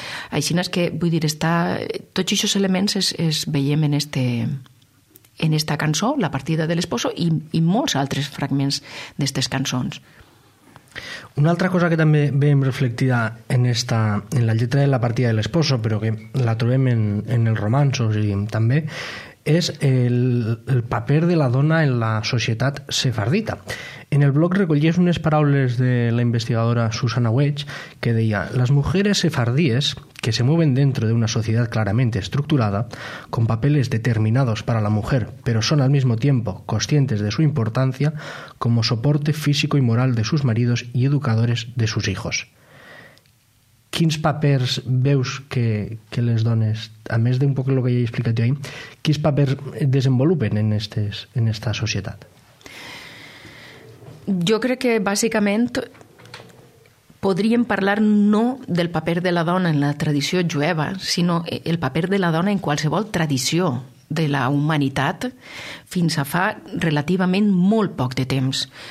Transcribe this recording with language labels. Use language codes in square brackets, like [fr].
[ca] Així és que, vull dir, tots aquests elements es veiem en esta cançó, La partida de l'esposo, i molts altres fragments d'aquestes cançons. Una altra cosa que també veiem reflectida en la lletra de La partida de l'esposo, però que la trobem en els romanços també, és el paper de la dona en la societat sefardita. En el blog recollies unes paraules de la investigadora Susana Wedge, que deia: [es] «Las mujeres sefardíes, que se mueven dentro de una sociedad claramente estructurada, con papeles determinados para la mujer, pero son al mismo tiempo conscientes de su importancia como soporte físico y moral de sus maridos y educadores de sus hijos». [ca] Quins papers veus que les dones, a més d'un poc el que ja he explicat jo ahir, quins papers desenvolupen en esta societat? Jo crec que bàsicament podríem parlar no del paper de la dona en la tradició jueva, sinó el paper de la dona en qualsevol tradició de la humanitat fins a fa relativament molt poc de temps.